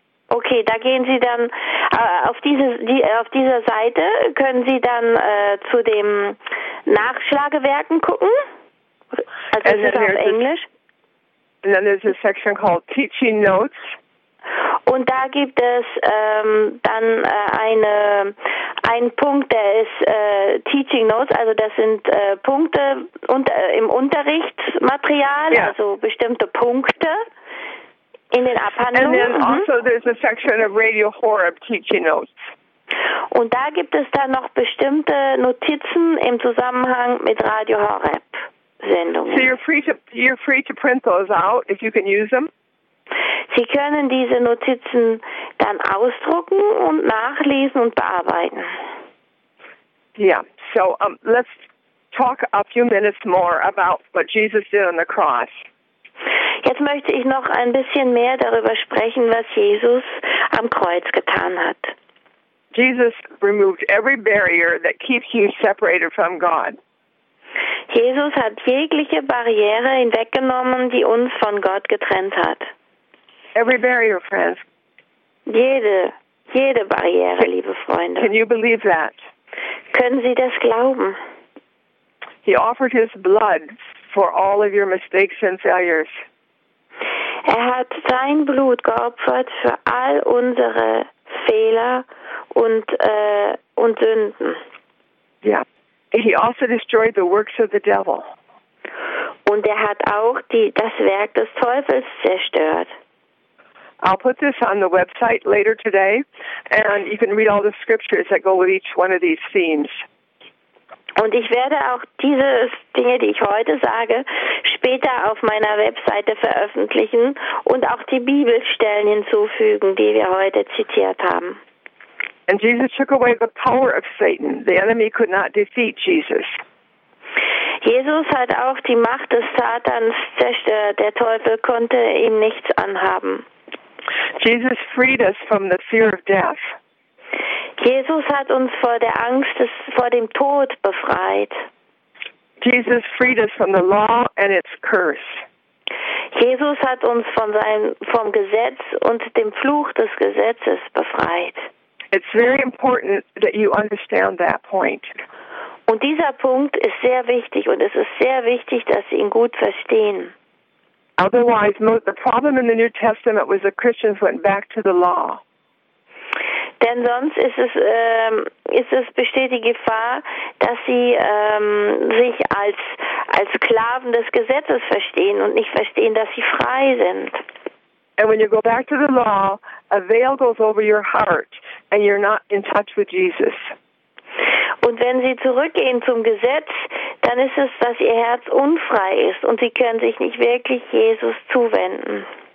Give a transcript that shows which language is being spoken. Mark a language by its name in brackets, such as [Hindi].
[German] Okay, da gehen Sie dann auf dieser Seite können Sie dann zu dem Nachschlagewerken gucken. Also ist es auf Englisch. [English] And then there's a section called Teaching Notes. [German] Und da gibt es dann einen Punkt, der ist Teaching Notes, also das sind Punkte im Unterrichtsmaterial, yeah. Also bestimmte Punkte. In den Abhandlungen. [English] And then also there's a section of Radio Horeb teaching notes. [German] Und da gibt es dann noch bestimmte Notizen im Zusammenhang mit Radio Horeb Sendungen. [English] So you're free to print those out if you can use them. [German] Sie können diese Notizen dann ausdrucken und nachlesen und bearbeiten. [English] Yeah, so let's talk a few minutes more about what Jesus did on the cross. [German] Jetzt möchte ich noch ein bisschen mehr darüber sprechen, was Jesus am Kreuz getan hat. [English] Jesus removed every barrier that keeps you separated from God. [German] Jesus hat jegliche Barriere hinweggenommen, die uns von Gott getrennt hat. [English] Every barrier, friends. [German] Jede Barriere, liebe Freunde. [English] Can you believe that? [German] Können Sie das glauben? [English] He offered his blood for all of your mistakes and failures. [German] Er hat sein Blut geopfert für all unsere Fehler und Sünden. [English] Yeah. He also destroyed the works of the devil. [German] Und er hat auch das Werk des Teufels zerstört. [English] I'll put this on the website later today, and you can read all the scriptures that go with each one of these themes. [German] Und ich werde auch diese Dinge, die ich heute sage, später auf meiner Webseite veröffentlichen und auch die Bibelstellen hinzufügen, die wir heute zitiert haben. [English] And Jesus took away the power of Satan. The enemy could not defeat Jesus. [German] Jesus hat auch die Macht des Satans zerstört. Der Teufel konnte ihm nichts anhaben. [English] Jesus freed us from the fear of death. [German] Jesus hat uns vor der Angst vor dem Tod befreit. [English] Jesus freed us from the law and its curse. [German] Jesus hat uns vom Gesetz und dem Fluch des Gesetzes befreit. [English] It's very important that you understand that point. [German] Und dieser Punkt ist sehr wichtig und es ist sehr wichtig, dass Sie ihn gut verstehen. [English] Otherwise, the problem in the New Testament was the Christians went back to the law. [German] Denn sonst besteht die Gefahr, dass sie sich als Sklaven des Gesetzes verstehen und nicht verstehen, dass sie frei sind. [English] And when you go back to the law, a veil goes over your heart and you're not in touch with Jesus. [German] Und wenn sie zurückgehen zum Gesetz, dann ist es, dass ihr Herz unfrei ist und sie können sich nicht wirklich Jesus zuwenden.